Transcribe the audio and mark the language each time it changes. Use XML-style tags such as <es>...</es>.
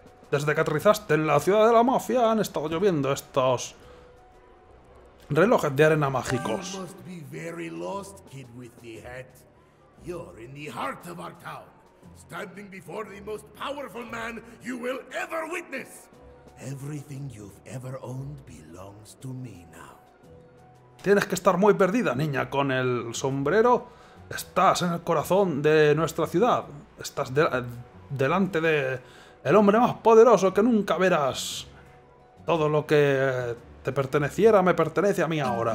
<es>Desde que aterrizaste en la ciudad de la mafia han estado lloviendo estos... relojes de arena mágicos.</es> <en>Must be very lost, kid with the hat. You're in the heart of our town, standing before the most powerful man you will ever witness. Everything you've ever owned belongs to me now.</en> <es>Tienes que estar muy perdida, niña, con el sombrero. Estás en el corazón de nuestra ciudad. Estás delante de el hombre más poderoso que nunca verás. Todo lo que te perteneciera, me pertenece a mí ahora.</es>